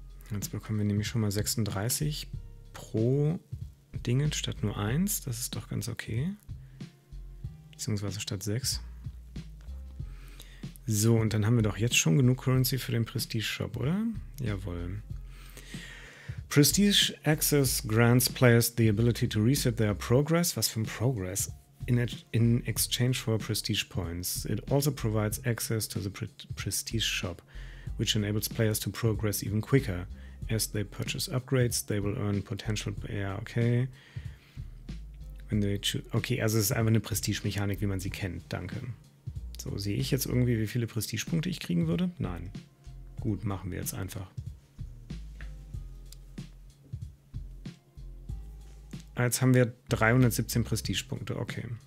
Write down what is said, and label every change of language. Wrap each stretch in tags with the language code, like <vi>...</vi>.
<de>Jetzt bekommen wir nämlich schon mal 36 pro Dingen statt nur 1. Das ist doch ganz okay. Beziehungsweise statt 6. So, und dann haben wir doch jetzt schon genug Currency für den Prestige-Shop, oder? Jawohl.</de> <en>Prestige Access grants players the ability to reset their progress.</en> <de>Was für ein Progress?</de> <en>In exchange for Prestige Points. It also provides access to the Prestige Shop, which enables players to progress even quicker. As they purchase upgrades, they will earn potential...</en> <de>Ja, okay.</de> <en>When they</en> <de>okay, also es ist einfach eine Prestige-Mechanik, wie man sie kennt. Danke. So, sehe ich jetzt irgendwie, wie viele Prestige-Punkte ich kriegen würde? Nein. Gut, machen wir jetzt einfach. Jetzt haben wir 317 Prestige-Punkte, okay.</de>